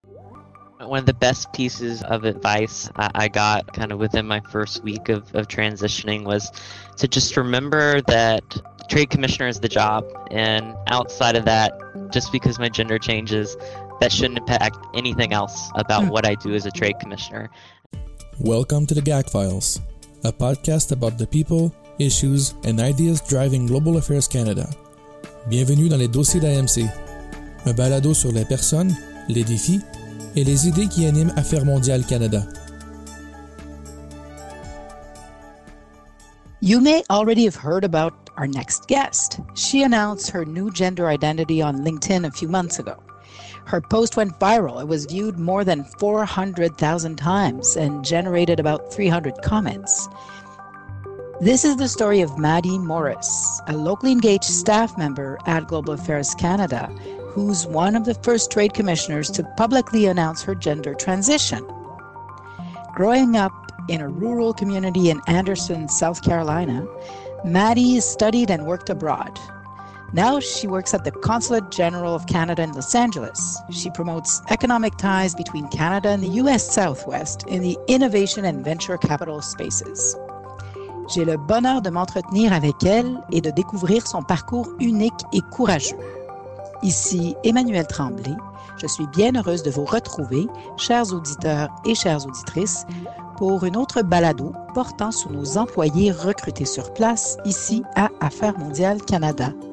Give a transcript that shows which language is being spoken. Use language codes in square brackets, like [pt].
[en] one of the best pieces of advice I got kind of within my first week of transitioning was to just remember that trade commissioner is the job, and outside of that, just because my gender changes, that shouldn't impact anything else about what I do as a trade commissioner. Welcome to the GAC Files, a podcast about the people, issues, and ideas driving Global Affairs Canada. [fr] Bienvenue dans les dossiers d'AMC, un balado sur les personnes, les défis et les idées qui animent Affaires mondiales Canada. [en] You may already have heard about our next guest. She announced her new gender identity on LinkedIn a few months ago. Her post went viral. It was viewed more than 400,000 times and generated about 300 comments. This is the story of Maddie Morris, a locally engaged staff member at Global Affairs Canada, who's one of the first trade commissioners to publicly announce her gender transition. Growing up in a rural community in Anderson, South Carolina, Maddie studied and worked abroad. Now she works at the Consulate General of Canada in Los Angeles. She promotes economic ties between Canada and the U.S. Southwest in the innovation and venture capital spaces. [fr] J'ai le bonheur de m'entretenir avec elle et de découvrir son parcours unique et courageux. Ici Emmanuelle Tremblay, je suis bien heureuse de vous retrouver, chers auditeurs et chères auditrices, pour une autre balado portant sur nos employés recrutés sur place ici à Affaires mondiales Canada.